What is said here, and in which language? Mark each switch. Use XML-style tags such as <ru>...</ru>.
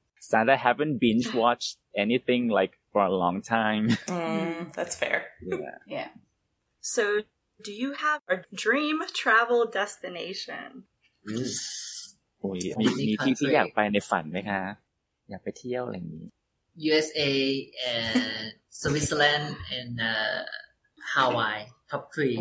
<en>Santa haven't binge watched anything like for a long time. That's fair. Yeah. So, do you have a dream travel destination?</en> <th>โอ้ยมีที่ที่อยากไปในฝันไหมคะอยากไปเที่ยวอะไรอย่างนี้</th> <en>USA and Switzerland and Hawaii top three.</en>